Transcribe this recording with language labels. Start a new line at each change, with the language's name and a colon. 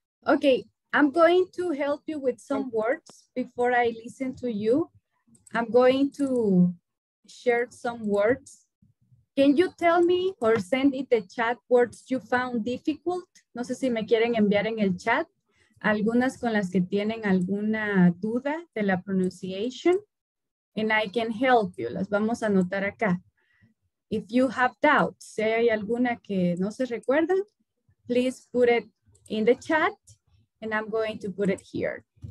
English: Okay, I'm going to help you with some words before I listen to you. I'm going to share some words. Can you tell me or send in the chat words you found difficult?
Spanish: No sé si me quieren enviar en el chat algunas con las que tienen alguna duda de la pronunciation.
English: And I can help you.
Spanish: Las vamos a anotar acá.
English: If you have doubts,
Spanish: si hay alguna que no se recuerdan,
English: please put it in the chat, and I'm going to put it here.